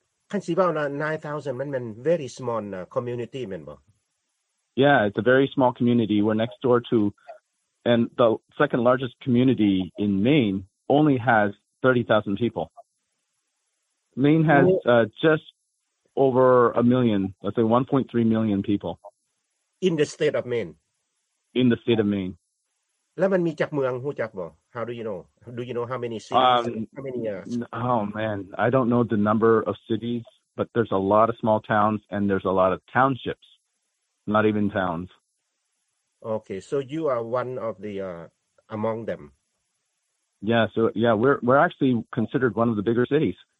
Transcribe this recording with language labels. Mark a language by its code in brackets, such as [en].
[tts] คันสิว่านะ 9,000 มัน [en] very small community [tts] แม่นบ่ [en] Yeah, it's a very small community. We're next door to and the second largest community in Maine only has 30,000 people. Maine has just over a million, let's say 1.3 million people. In the state of Maine. In the state of Maine. [tts] แล้วมันมีจักเมืองรู้จักบ่ [en] How do you know? Do you know how many cities? Oh man, I don't know the number of cities, but there's a lot of small towns and there's a lot of townships, not even towns. Okay, so you are one of the among them. Yeah, so yeah, we're actually considered one of the bigger cities.